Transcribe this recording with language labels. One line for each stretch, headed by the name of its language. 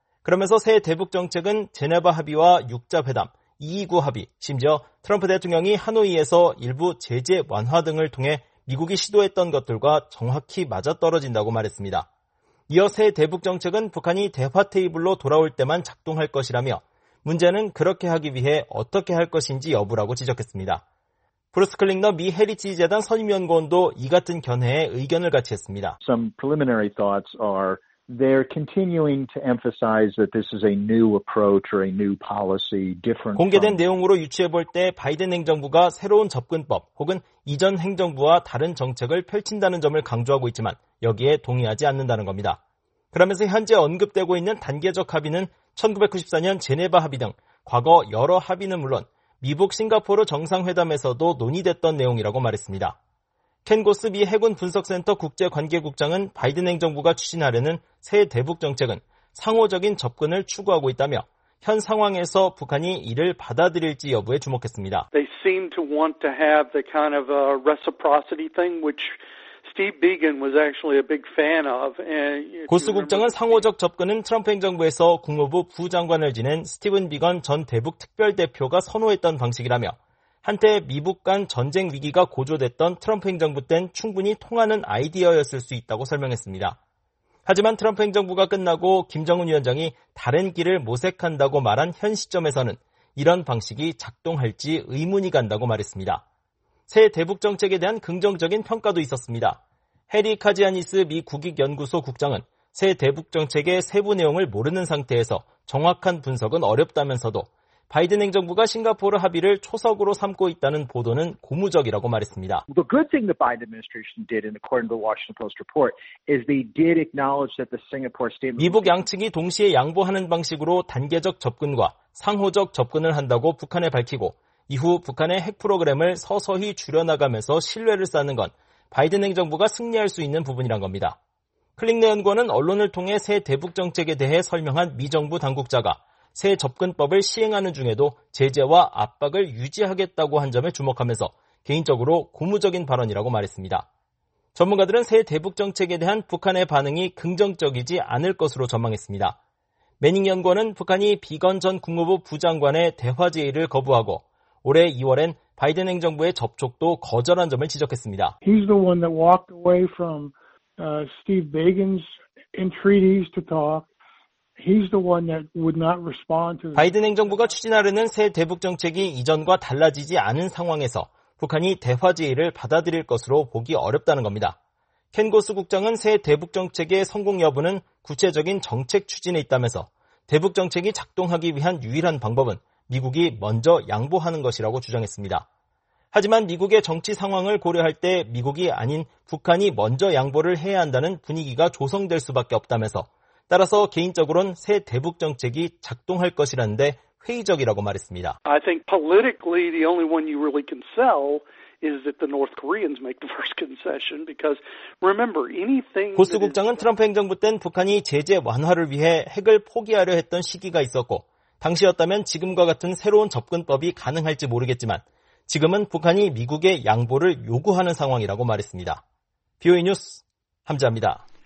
Korean: 그러면서 새 대북 정책은 제네바 합의와 6자 회담, 229 합의, 심지어 트럼프 대통령이 하노이에서 일부 제재 완화 등을 통해 미국이 시도했던 것들과 정확히 맞아떨어진다고 말했습니다. 이어 새 대북 정책은 북한이 대화 테이블로 돌아올 때만 작동할 것이라며 문제는 그렇게 하기 위해 어떻게 할 것인지 여부라고 지적했습니다. 브루스 클링너 미 헤리티지 재단 선임연구원도 이 같은 견해에 의견을 같이 했습니다.
English: Some preliminary thoughts are They're continuing to emphasize that this is a new approach or a new policy different.
Korean: 공개된 내용으로 유추해 볼 때 바이든 행정부가 새로운 접근법 혹은 이전 행정부와 다른 정책을 펼친다는 점을 강조하고 있지만 여기에 동의하지 않는다는 겁니다. 그러면서 현재 언급되고 있는 단계적 합의는 1994년 제네바 합의 등 과거 여러 합의는 물론 미국 싱가포르 정상회담에서도 논의됐던 내용이라고 말했습니다. 켄 고스 미 해군 분석센터 국제관계국장은 바이든 행정부가 추진하려는 새 대북 정책은 상호적인 접근을 추구하고 있다며 현 상황에서 북한이 이를 받아들일지 여부에 주목했습니다.
English: They seem to want to have the kind of a reciprocity thing which Steve Biegun was actually a big fan of.
Korean: 고스 국장은 상호적 접근은 트럼프 행정부에서 국무부 부장관을 지낸 스티븐 비건 전 대북 특별대표가 선호했던 방식이라며 한때 미북 간 전쟁 위기가 고조됐던 트럼프 행정부 땐 충분히 통하는 아이디어였을 수 있다고 설명했습니다. 하지만 트럼프 행정부가 끝나고 김정은 위원장이 다른 길을 모색한다고 말한 현 시점에서는 이런 방식이 작동할지 의문이 간다고 말했습니다. 새 대북 정책에 대한 긍정적인 평가도 있었습니다. 해리 카지아니스 미 국익연구소 국장은 새 대북 정책의 세부 내용을 모르는 상태에서 정확한 분석은 어렵다면서도 바이든 행정부가 싱가포르 합의를 초석으로 삼고 있다는 보도는 고무적이라고 말했습니다.
English: The good thing the Biden administration did, according to the Washington Post report, is they did acknowledge that the Singapore statement.
Korean: 미북 양측이 동시에 양보하는 방식으로 단계적 접근과 상호적 접근을 한다고 북한에 밝히고 이후 북한의 핵 프로그램을 서서히 줄여나가면서 신뢰를 쌓는 건 바이든 행정부가 승리할 수 있는 부분이란 겁니다. 클릭내 연구원은 언론을 통해 새 대북 정책에 대해 설명한 미 정부 당국자가 새 접근법을 시행하는 중에도 제재와 압박을 유지하겠다고 한 점에 주목하면서 개인적으로 고무적인 발언이라고 말했습니다. 전문가들은 새 대북 정책에 대한 북한의 반응이 긍정적이지 않을 것으로 전망했습니다. 매닝 연구원은 북한이 비건 전 국무부 부장관의 대화 제의를 거부하고 올해 2월엔 바이든 행정부의 접촉도 거절한 점을 지적했습니다.
English: He's the one that walked away from Steve Biegun's entreaties to talk. He's the one that would not respond to.
Korean: 바이든 행정부가 추진하려는 새 대북 정책이 이전과 달라지지 않은 상황에서 북한이 대화 제의를 받아들일 것으로 보기 어렵다는 겁니다. 켄 고스 국장은 새 대북 정책의 성공 여부는 구체적인 정책 추진에 있다면서 대북 정책이 작동하기 위한 유일한 방법은 미국이 먼저 양보하는 것이라고 주장했습니다. 하지만 미국의 정치 상황을 고려할 때 미국이 아닌 북한이 먼저 양보를 해야 한다는 분위기가 조성될 수밖에 없다면서 따라서 개인적으로는 새 대북 정책이 작동할 것이라는데 회의적이라고 말했습니다.
English: I think politically the only one you really can sell is that the North Koreans make the first concession because remember anything
Korean: 고스 국장은 트럼프 행정부 땐 북한이 제재 완화를 위해 핵을 포기하려 했던 시기가 있었고 당시였다면 지금과 같은 새로운 접근법이 가능할지 모르겠지만 지금은 북한이 미국의 양보를 요구하는 상황이라고 말했습니다. BOA 뉴스 함재합니다.